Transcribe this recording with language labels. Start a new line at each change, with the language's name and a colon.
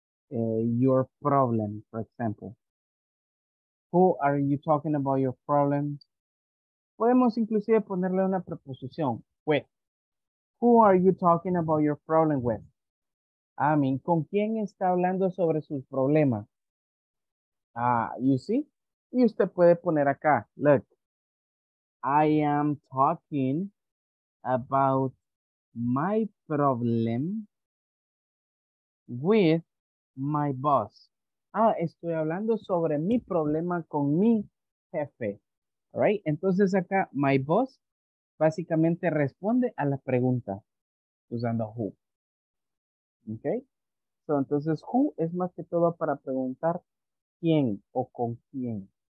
English: Your problem, for example. Who are you talking about your problems?
Spanish: Podemos inclusive ponerle una preposición, with.
English: Who are you talking about your problem with?
Spanish: I mean, ¿con quién está hablando sobre sus problemas? Ah, you see? Y usted puede poner acá, look.
English: I am talking about my problem with my boss.
Spanish: Ah, estoy hablando sobre mi problema con mi jefe. All right? Entonces acá, my boss básicamente responde a la pregunta usando who. Okay? So, entonces, who es más que todo para preguntar quién o con quién.